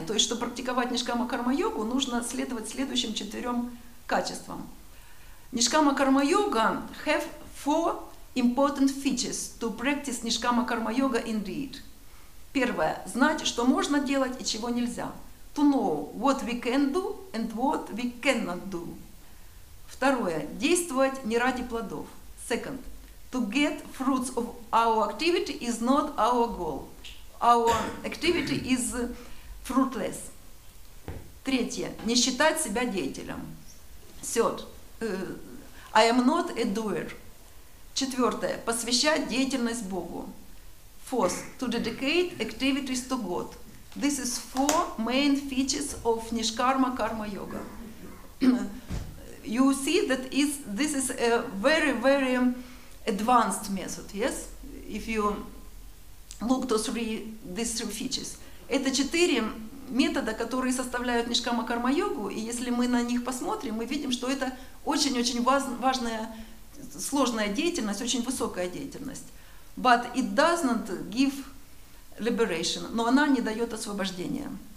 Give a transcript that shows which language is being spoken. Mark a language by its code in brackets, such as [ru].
[ru] То есть, чтобы практиковать нишкама-карма-йогу, нужно следовать следующим четырем качествам. [en] Нишкама-карма-йога have four important features to practice нишкама-карма-йога indeed. [ru] Первое. Знать, что можно делать и чего нельзя. [en] To know what we can do and what we cannot do. [ru] Второе. Действовать не ради плодов. [en] Second. To get fruits of our activity is not our goal. Our activity is fruitless. [ru] Третье. Не считать себя деятелем. [en] Third. I am not a doer. [ru] Четвертое. Посвящать деятельность Богу. [en] Fourth, to dedicate activities to God. This is four main features of Nishkarma Karma Yoga. You see that this is a very, very advanced method, yes? If you look to these three features. [ru] Это четыре метода, которые составляют Nishkarma Karma Yoga, и если мы на них посмотрим, мы видим, что это очень-очень важная, сложная деятельность, очень высокая деятельность. [en] But it does not give liberation, [ru] но она не дает освобождения.